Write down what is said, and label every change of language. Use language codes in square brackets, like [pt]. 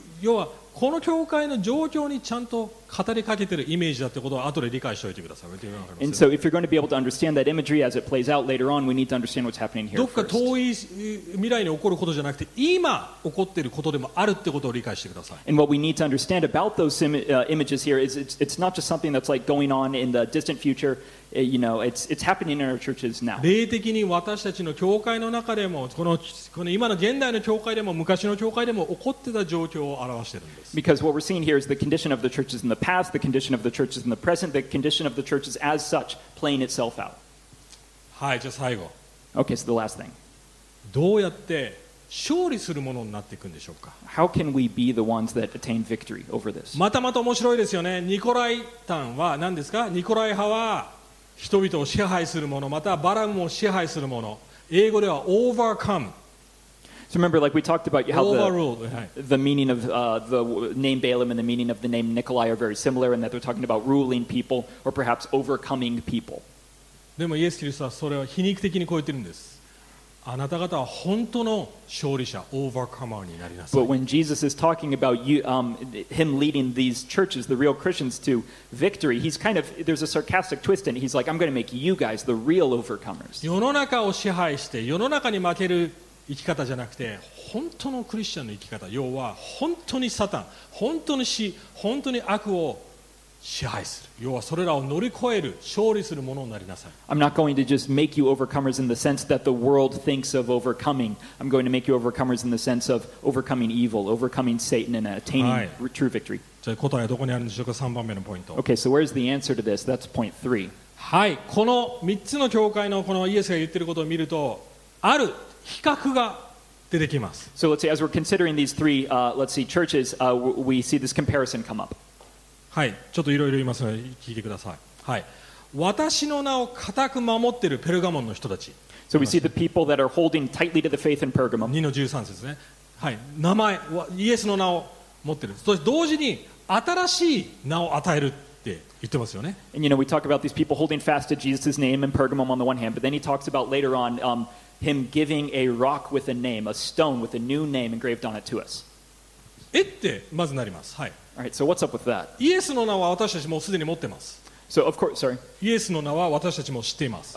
[ja] 要はこの教会の状況にちゃんと語りかけてるイメージだってことを後で理解しておいてください。 [en] And so if you're going to be able to understand that imagery as it plays out later on, we need to understand what's happening here [ja] どっか遠い未来に起こることじゃなくて今起こっていることでもあるってことを理解してください。 [en] And what we need to understand about those images here is it's not just something that's like going on in the distant future. You know, it's happening in our churches now. [ja] 霊的に私たちの教会の中でもこの今の現代の教会でも昔の教会でも起こってた状況を表しているんです。 [en] Because what we're seeing here is the condition of the churches in the past, the condition of the churches in the present, the condition of the churches as such playing itself out. [ja] はい、じゃあ最後。 [en] Okay, so the last thing. [ja] どうやって勝利するものになっていくんでしょうか? [en] How can we be the ones that attain victory over this? [ja] またまた面白いですよね。ニコライタンは何ですか? ニコライ派は人々を支配するもの、またバラムを支配するもの。英語では overcome。 [en] So remember, like we talked about how the meaning of the name Balaam and the meaning of the name Nikolai are very similar, and that they're talking about ruling people or perhaps overcoming people. [ja] でもイエス・キリストはそれを皮肉的にこう言ってるんです。あなた方は本当の勝利者、overcomer になりなさい。 [en] But when Jesus is talking about you, him leading these churches, the real Christians, to victory, he's kind of, there's a sarcastic twist in it. He's like, I'm going to make you guys the real overcomers. [ja] 世の中を支配して、世の中に負ける生き方じゃなくて、本当のクリスチャンの生き方、要は本当にサタン、本当に死、本当に悪を支配する。要はそれらを乗り越える、勝利するものになりなさい。 [en] I'm not going to just make you overcomers in the sense that the world thinks of overcoming. I'm going to make you overcomers in the sense of overcoming evil, overcoming Satan and attaining、はい、true victory. [ja] じゃあ答えはどこにあるんでしょうか ?3 番目のポイント。 [en] Okay, so where's the answer to this? That's point three. [ja] はい、この3つの教会のこのイエスが言っていることを見ると、ある比較が出てきます。 [en] So let's see, as we're considering these three, let's see, churches, we see this comparison come up. [ja] はい、ちょっといろいろ言いますので聞いてください、はい、私の名を固く守っているペルガモンの人たち、 [en] so we see the people that are holding tightly to the faith in Pergamum. [ja] 2の13節ですね、はい、名前イエスの名を持っている、そして同時に新しい名を与えるって言ってますよね。 [en] And you know, we talk about these people holding fast to Jesus' name in Pergamum on the one hand, but then he talks about later on him giving a rock with a name, a stone with a new name engraved on it to us. [ja] えってまずなります。はい、 [en] All right, so what's up with that? [ja] イエスの名は私たちもすでに持ってます。 [en] So of course, sorry. [ja] イエスの名は私たちも知っています。